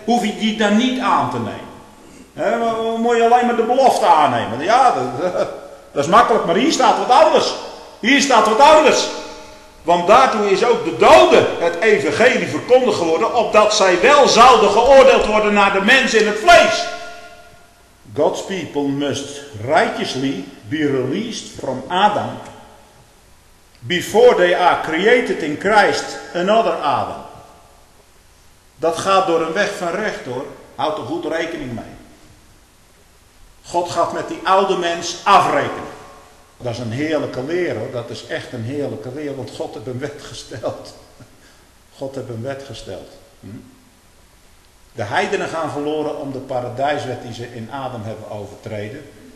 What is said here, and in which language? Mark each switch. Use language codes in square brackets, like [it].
[nl] Hoef je die dan niet aan te nemen? Moet je alleen maar de belofte aannemen. Ja, dat is makkelijk. Maar hier staat wat anders. Hier staat wat anders. Want daartoe is ook de doden het evangelie verkondigd geworden. Opdat zij wel zouden geoordeeld worden naar de mens in het vlees. [en] God's people must righteously be released from Adam. Before they are created in Christ another Adam. [nl] Dat gaat door een weg van recht hoor. Houd er goed rekening mee. God gaat met die oude mens afrekenen. Dat is een heerlijke leer hoor. Dat is echt een heerlijke leer. Want God heeft een wet gesteld. God heeft een wet gesteld. De heidenen gaan verloren om de paradijswet die ze in Adam hebben overtreden.